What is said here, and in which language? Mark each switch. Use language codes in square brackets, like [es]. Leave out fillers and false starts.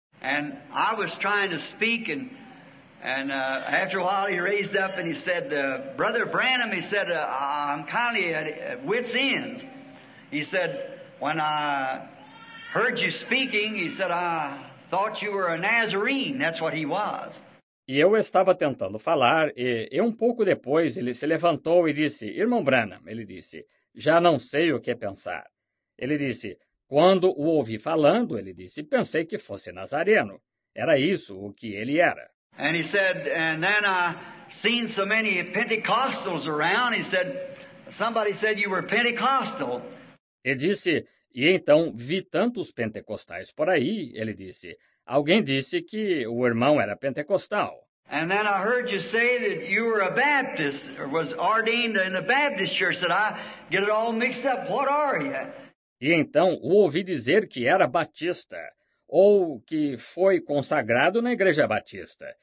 [en] And I was trying to speak, and after a while he raised up and he said, Brother Branham, he said, I'm kind of at wit's end. He said, when I heard you speaking, he said, I thought you were a Nazarene. That's what he was. [pt] E eu estava tentando falar, e um pouco depois ele se levantou e disse, Irmão Branham, ele disse, já não sei o que pensar. Ele disse, quando o ouvi falando, ele disse, pensei que fosse Nazareno. Era isso o que ele era. [en] And he said, and then I seen so many Pentecostals around, he said, somebody said you were Pentecostal. [pt] E disse, e então vi tantos pentecostais por aí, ele disse, alguém disse que o irmão era pentecostal. [en] And then I heard you say that you were a Baptist, or was ordained in a Baptist church. Did I get it all mixed up? What are you? [pt] E então o ouvi dizer que era batista, ou que foi consagrado na igreja batista.